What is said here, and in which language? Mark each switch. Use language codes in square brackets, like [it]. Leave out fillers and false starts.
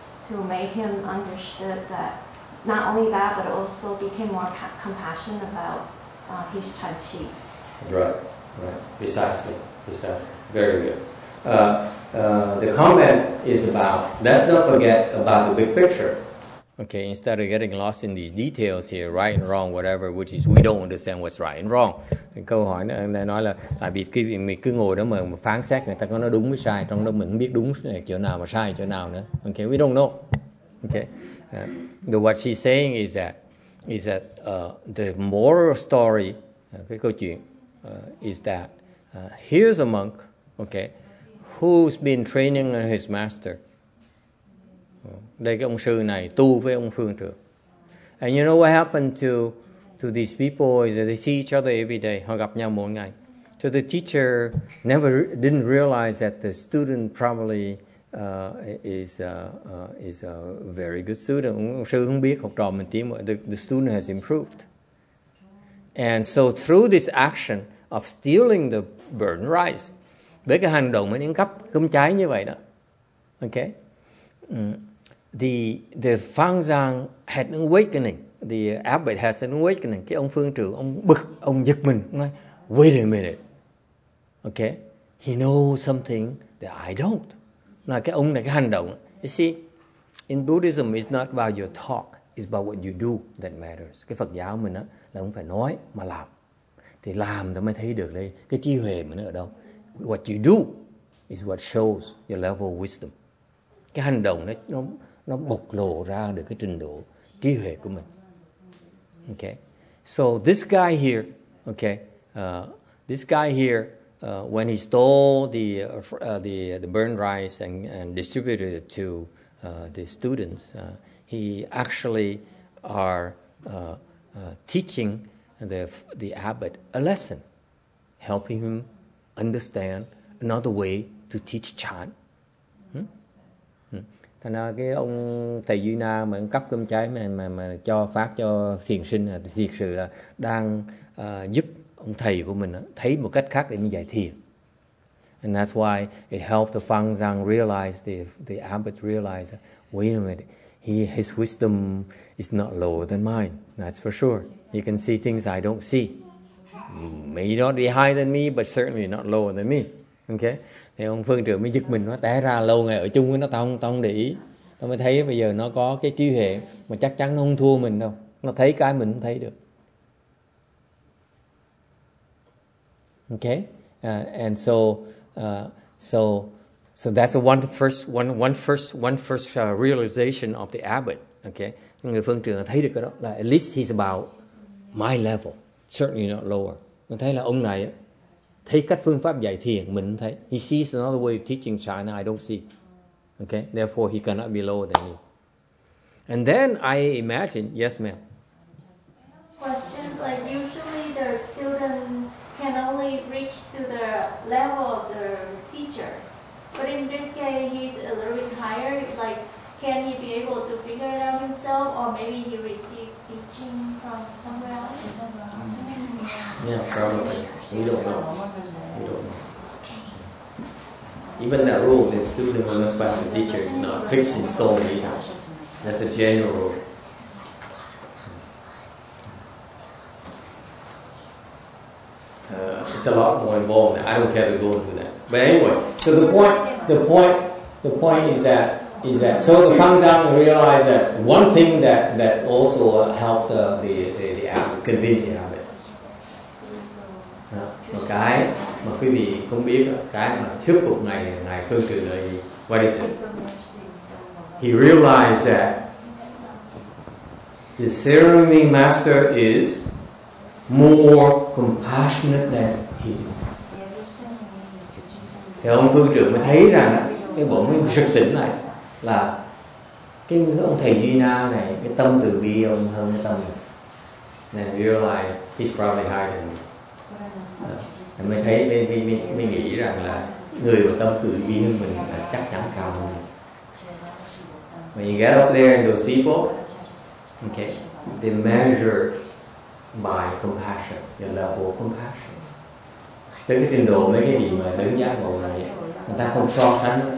[en] To make him understood that not only that, but also became more compassionate about his Chai Chi. Right, right. Precisely. Very good. The comment is about, let's not forget about the big picture. Okay, instead of getting lost in these details here, right and wrong, whatever, which is we don't understand what's right and wrong. [vi] Câu hỏi này nói là tại vì mình cứ ngồi đó mà phán xét người ta có nói đúng với sai, trong đó mình không biết đúng chỗ nào mà sai chỗ nào nữa. [en] Okay, we don't know. Okay. But what she's saying is that the moral story, [vi] cái câu chuyện, [en] is that here's a monk, okay, who's been training his master. [vi] Đây cái ông sư này tu với ông phương trưởng. [en] And you know what happened to these people is that they see each other every day. [vi] Họ gặp nhau mỗi ngày. [en] So the teacher didn't realize that the student probably is a very good student. [vi] Ông sư không biết học trò mình tiến bộ. [en] The student has improved. And so through this action of stealing the burnt rice, [vi] với cái hành động mà những cắp cơm cháy như vậy đó. [en] Okay. The Phang Giang had an awakening. The abbot has an awakening. [vi] Cái ông phương trưởng, ông bực, ông giật mình. Ông nói, [en] wait a minute. Okay? He knows something that I don't. [vi] Là cái ông này, cái hành động. [en] You see, in Buddhism, it's not about your talk. It's about what you do that matters. [vi] Cái Phật giáo mình á, là không phải nói mà làm. Thì làm thì mới thấy được đây. Cái trí huệ mình ở đâu. [en] What you do is what shows your level of wisdom. [vi] Cái hành động đó, nó bộc lộ ra được cái trình độ trí huệ của mình. [en] Okay. So this guy here, okay, when he stole the burnt rice and distributed it to the students, he actually are teaching the abbot a lesson, helping him understand another way to teach chan. [vi] Thành ra cái ông thầy Duy Na mà cấp cơm cháy mà cho phát cho thiền sinh là thiệt sự là đang giúp ông thầy của mình thấy một cách khác để mình giải thiền. [en] And that's why it helped the Phang Giang realize, the abbot realize, wait a minute, his wisdom is not lower than mine, that's for sure. You can see things I don't see. May not be higher than me, but certainly not lower than me. Okay? [vi] Thì ông phương trưởng mới giật mình, nó té ra lâu ngày ở chung với nó, tao không để ý. Tao mới thấy bây giờ nó có cái trí huệ mà chắc chắn nó không thua mình đâu. Nó thấy cái mình không thấy được. [en] Okay? And so that's a one first realization of the abbot. Okay? [vi] Người phương trưởng thấy được cái đó. [en] Like, at least he's about my level. Certainly not lower. [vi] Nó thấy là ông này thấy cách phương pháp dạy thiền mình thấy. [en] He sees another way of teaching China I don't see. Okay, therefore he cannot be lower than me. And then I imagine, yes, ma'am. I have a question. Like usually the student can only reach to the level of the teacher. But in this case, he's a little bit higher. Like, can he be able to figure it out himself? Or maybe he received teaching from somewhere else? Mm-hmm. Yeah, probably. We don't know. Even that rule that student will not pass the teacher is not fixed in stone either. That's a general rule. It's a lot more involved. I don't care to go into that. But anyway, so the point is that so the Fang Zhang realized that one thing that also helped the abbot convince the abbot. Okay. [vi] Mà quý vị không biết cái mà thuyết phục ngài tương tự là gì. [en] What is it? He realized that the ceremony master is more compassionate than he is. [vi] Thì ông phương trưởng mới thấy rằng cái bộ mới sực tỉnh này là cái ông thầy Duy Na này, cái tâm từ bi ông hơn cái tâm này. [en] And realize he's probably higher than me. [vi] Mình thấy mình nghĩ rằng là người có tâm tự bi hơn mình là chắc chắn cao hơn mình. [en] When you get up there and those people, okay, they measure by compassion, your level of compassion. [vi] Tới cái trình độ mấy cái gì mà đứng giác ngộ này, người ta không so sánh.